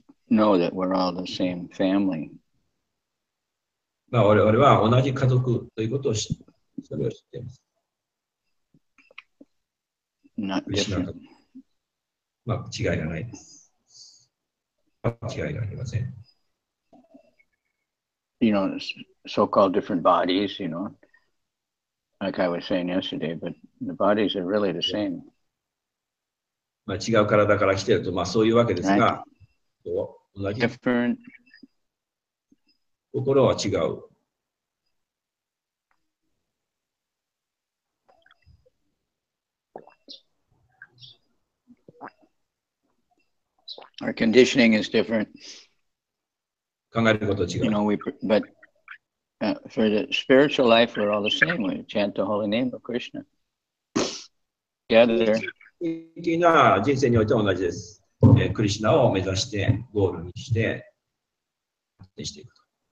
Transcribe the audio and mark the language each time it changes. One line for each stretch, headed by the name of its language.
English: Know that we're all the same family.
Japanese: まあ、俺は同じ家族ということを知って、それを知っています。
English: Not different.
Japanese: まあ、違いがないです。まあ、違いがありません。
English: You know, so-called different bodies, you know, like I was saying yesterday, but the bodies are really the same.
Japanese: まあ、違う体から来てると、まあ、そういうわけですが、
English: right.
Japanese: 同じ。
English: Different.
Japanese: 心は違う。
English: Our conditioning is different.
Japanese: 考えることは違う。
English: You know, but for the spiritual life, we're all the same. We chant the holy name of Krishna. Gather.
Japanese: 的な人生においても同じです。クリシナを目指して、ゴールにして、発展していくと。